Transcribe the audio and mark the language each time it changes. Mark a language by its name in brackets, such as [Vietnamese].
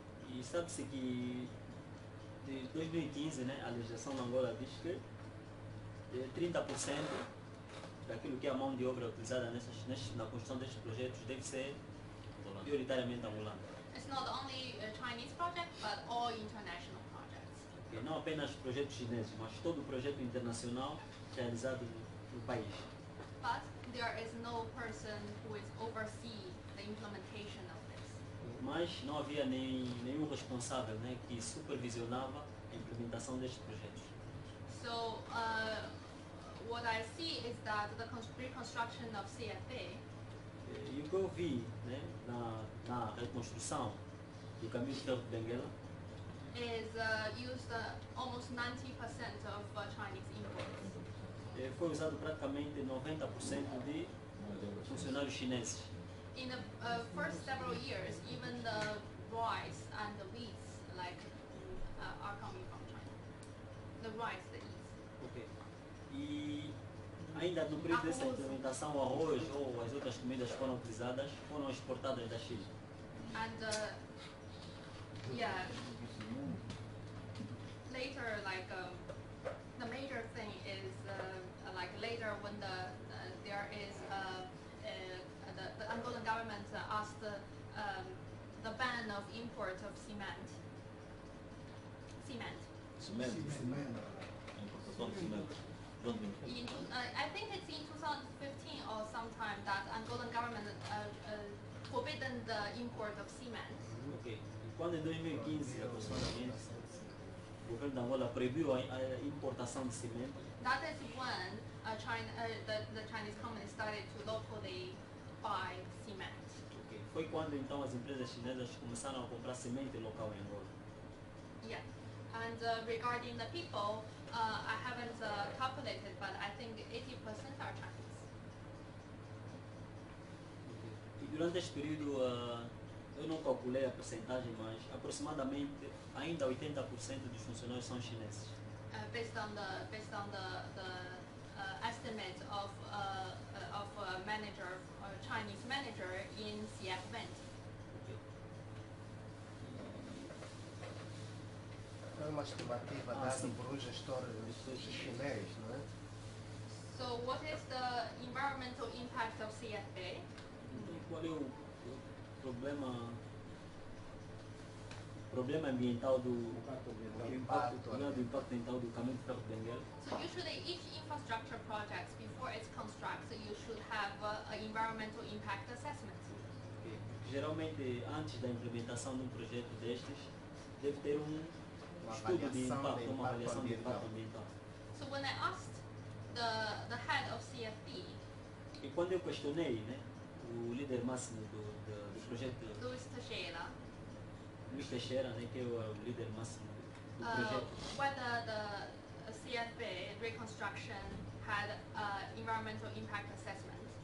[Portuguese] E sabe-se que de 2015, né, a legislação da Angola diz que 30% daquilo que é a mão de obra utilizada na construção destes projetos deve ser prioritariamente angolana. [English] It's not only a Chinese project, but all international projects. [Portuguese] Okay, não apenas projetos chineses, mas todo projeto internacional realizado no país. [English] But there is no person who is oversee the implementation of this. [Portuguese] Mas não havia nenhum responsável, né, que supervisionava a implementação destes projetos. [English] So, what I see is that the reconstruction of CFA. You go see, [Portuguese] né, na reconstrução do caminho de Benguela. [English] Is used almost 90% of Chinese imports. [Portuguese] Foi usado praticamente 90% de funcionários chineses. [English] In the first several years, even the rice and the wheat, are coming from China. The rice, the wheat. Okay. [Portuguese] E ainda no período dessa implementação, o arroz ou as outras comidas foram utilizadas, foram exportadas da China. [English] And, later, the major thing is, later when the there is the Angolan government asked the ban of import of cement. I think it's in 2015 or sometime that Angolan government forbidden the import of cement. [Portuguese] Okay. E quando em 2015 aproximadamente o governo da Angola proibiu a importação de cimento. [English] That is when the Chinese companies started to locally buy cement. Okay. [Portuguese] Foi quando então as empresas chinesas começaram a comprar cimento local em Angola. [English] Yeah. And regarding the people, I haven't calculated, but I think 80% are Chinese. [Portuguese] Okay. E durante este período, eu não calculei a percentagem, mas aproximadamente ainda 80% dos funcionários são chineses. [English] Based on the estimate of a manager, a Chinese manager in CF Bank. [Portuguese] É uma estimativa dada por um gestor chinês, não é? [English] So, what is the environmental impact of CFA? [Portuguese] Qual é o problema ambiental do impacto ambiental do caminho de Benguela? [English] So, usually, each infrastructure project, before it's constructed, you should have an environmental impact assessment. Okay. [Portuguese] Geralmente, antes da implementação de um projeto destes, deve ter um estudo de impacto, uma avaliação de impacto ambiental. [English] So when I asked the head of CFB, [Portuguese] e quando eu questionei, né, o líder máximo do, do, do projeto? Luiz Teixeira. Luiz Teixeira, né, que é o líder máximo do projeto. [English] Whether the CFB reconstruction had environmental impact assessment.